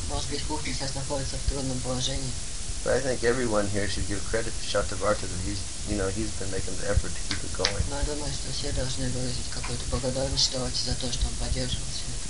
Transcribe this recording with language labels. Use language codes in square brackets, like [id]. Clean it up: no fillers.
[ru] Может быть, кухня сейчас находится в трудном положении. [en] But I think everyone here should give credit to Shatavarta that he's, you know, he's been making the effort to keep it going. [ru] Но я думаю, что все должны выразить какую-то благодарность Шатаварте за то, что он поддерживал все это.